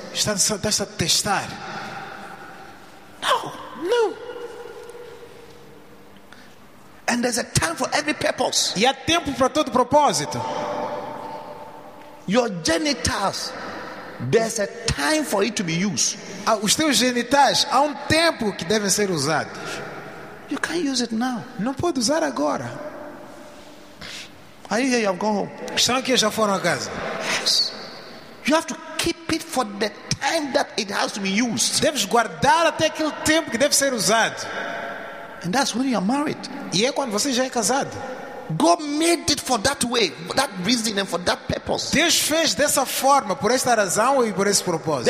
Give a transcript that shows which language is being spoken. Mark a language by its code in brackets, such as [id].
[pt] Está a testar. [en] No. No. And there's a time for every purpose. [pt] E há tempo para todo propósito. [en] Your genitals, there's a time for it to be used. [pt] Os teus genitais, há tempo que devem ser usados. [en] You can't use it now. [pt] Não pode usar agora. [en] Are you here? I'm going home. [pt] Estão aqui, já foram a casa. [en] Yes. You have to keep it for the time that it has to be used. [pt] Deves guardar até aquele tempo que deve ser usado. [en] And that's when you are married. [pt] E é quando você já é casado. [en] God made it for that way, for that reason and for that purpose. [pt] Deus fez dessa forma, por esta razão e por esse propósito.